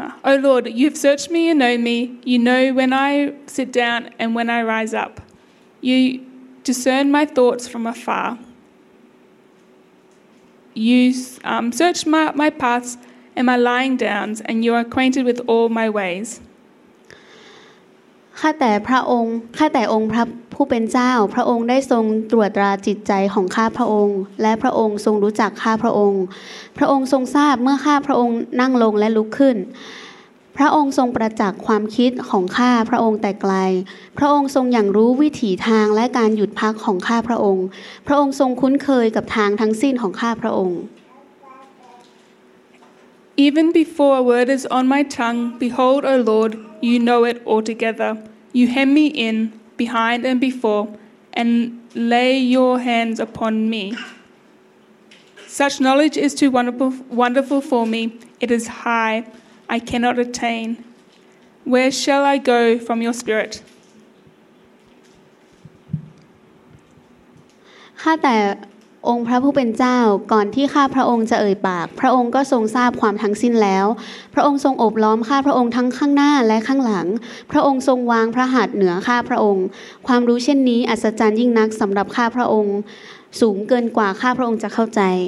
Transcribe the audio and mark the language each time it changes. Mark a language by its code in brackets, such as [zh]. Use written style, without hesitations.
[en] O Lord, you have searched me and know me. You know when I sit down and when I rise up. You discern my thoughts from afar. You search my paths and my lying downs, and you are acquainted with all my ways. [th] ข้าแต่พระองค์ข้าแต่องค์พระผู้เป็นเจ้าพระองค์ได้ทรงตรวจตราจิตใจของข้าพระองค์และพระองค์ทรงรู้จักข้าพระองค์พระองค์ทรงทราบเมื่อข้าพระองค์นั่งลงและลุกขึ้นพระองค์ทรงประจักษ์ความคิดของข้าพระองค์แต่ไกลพระองค์ทรงอย่างรู้วิถีทางและการหยุดพักของข้าพระองค์พระองค์ทรงคุ้นเคยกับทางทั้งสิ้นของข้าพระองค์ [en] Even before a word is on my tongue behold O Lord you know it altogether you hem me in behind and before and lay your hands upon me Such knowledge is too wonderful for me it is highI cannot attain. Where shall I go from your spirit? [th] ข้าแต่องค์พระผู้เป็นเจ้าก่อนที่ข้าพระองค์จะเอ่ยปากพระองค์ก็ทรงทราบความทั้งสิ้นแล้วพระองค์ทรงโอบล้อมข้าพระองค์ทั้งข้างหน้าและข้างหลังพระองค์ทรงวางพระหัตถ์เหนือข้าพระองค์ความรู้เช่นนี้อัศจรรย์ยิ่งนักสำหรับข้าพระองค์สูงเกินกว่าข้าพระองค์จะเข้าใจ